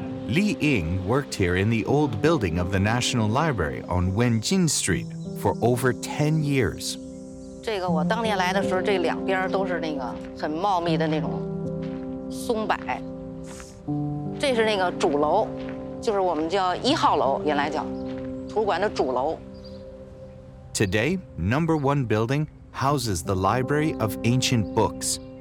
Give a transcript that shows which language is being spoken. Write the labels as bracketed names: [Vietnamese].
[English] Li Ying worked here in the old building of the National Library on Wenjin Street for over 10 years. [Chinese] 这个我当年来的时候，这两边都是那个很茂密的那种松柏。这是那个主楼，就是我们叫一号楼，原来叫图书馆的主楼。 [English] Today, number one building houses the Library of Ancient Books.